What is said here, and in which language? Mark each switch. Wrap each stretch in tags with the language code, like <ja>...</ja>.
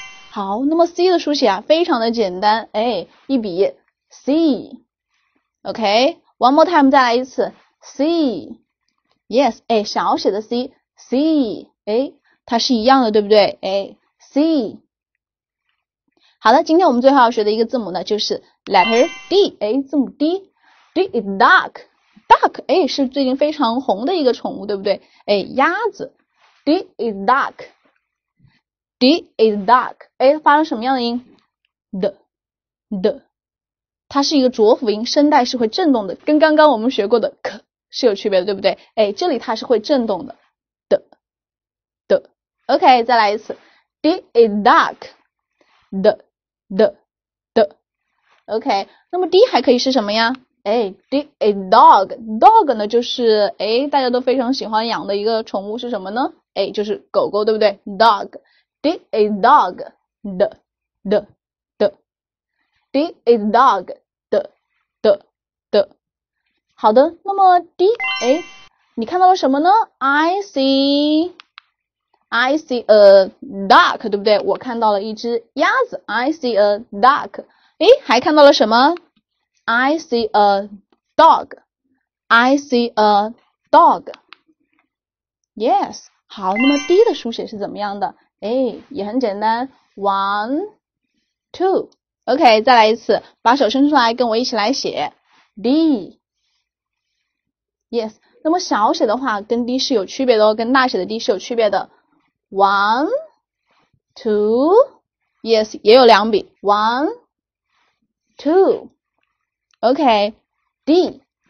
<zh>好，那么 C 的书写啊，非常的简单，哎，一笔 C，OK，</zh> <en>one more time，</en> <zh>再来一次 C，Yes，哎，小写的 C，C，哎，它是一样的，对不对？哎，C，好了，今天我们最后要学的一个字母呢，就是 letter D，哎，字母 D，</zh> <en>D is duck，</en> <zh>duck，哎，是最近非常红的一个宠物，对不对？哎，鸭子，</zh> <en>D is duck。 D is duck，</en> <zh>哎，发生什么样的音？D，它是一个浊辅音，声带是会震动的，跟刚刚我们学过的 k 是有区别的，对不对？哎，这里它是会震动的，OK，再来一次，</zh> <en>D is duck，</en> <zh>D，OK，那么 D 还可以是什么呀？哎，</zh> <en>D is dog，</en> <zh>dog 呢就是哎大家都非常喜欢养的一个宠物是什么呢？哎，就是狗狗，对不对？dog。</zh> <en>D is dog, d d d. D is dog, d d d.</en> <zh>好的，那么 D 哎，你看到了什么呢？</zh> <en>I see a duck，</en> <zh>对不对？我看到了一只鸭子。</zh> <en>I see a duck。</en> <zh>哎，还看到了什么？</zh> <en>I see a dog. I see a dog.</en> <zh>Yes，好，那么 D 的书写是怎么样的？哎，也很简单，1，2，OK，再来一次，把手伸出来，跟我一起来写 D，Yes。那么小写的话，跟 D 是有区别的哦，跟大写的 D 是有区别的，1，2，Yes，也有两笔，1，2，OK，D。</zh>